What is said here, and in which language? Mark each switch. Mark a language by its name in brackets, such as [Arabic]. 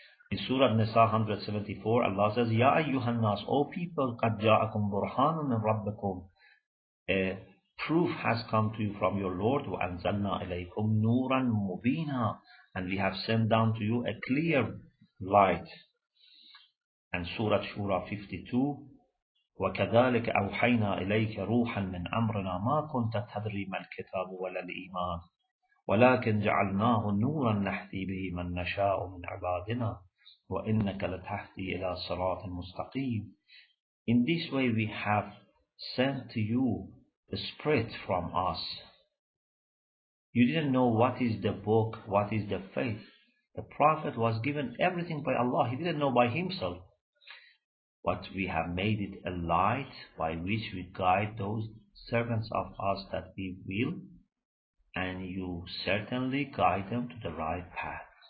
[English] In Surah Nisa 174, Allah says, [Arabic] يَا أَيُّهَا النَّاسُ, [English] O people, [Arabic] قَدْ جَاءَكُمْ بُرْهَانٌ مِنْ رَبَّكُمْ, [English] proof has come to you from your Lord, [Arabic] وَأَنْزَلْنَا إِلَيْكُمْ نُورًا مُبِينًا, [English] and we have sent down to you a clear light. And Surah Shura 52, [Arabic] وَكَذَلِكَ أَوْحَيْنَا إِلَيْكَ رُوحًا مِنْ أَمْرِنَا مَا كُنْتَ تَدْرِي مَا الْكِتَابُ وَلَا الْإِيمَانِ ولكن جعلناه نورا نهدي به من نشاء من عبادنا وإنك لتهدي إلى صراط مستقيم. [English] In this way we have sent to you a spirit from us. You didn't know what is the book, what is the faith. The Prophet was given everything by Allah, he didn't know by himself. But we have made it a light by which we guide those servants of us that we will, and you certainly guide them to the right path.